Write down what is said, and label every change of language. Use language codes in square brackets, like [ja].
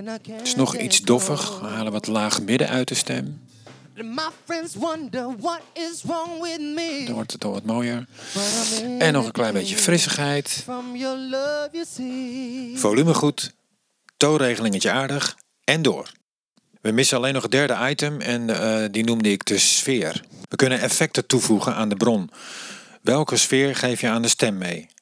[nl] Het is nog iets doffig. We halen wat laag midden uit de stem. [en] My friends wonder what is wrong with me. [nl] Dan wordt het al wat mooier. En nog een klein beetje frissigheid. [en] From your love, you see. [nl] Volume goed. Toonregelingetje aardig. En door. We missen alleen nog het derde item en die noemde ik de sfeer. We kunnen effecten toevoegen aan de bron. Welke sfeer geef je aan de stem mee?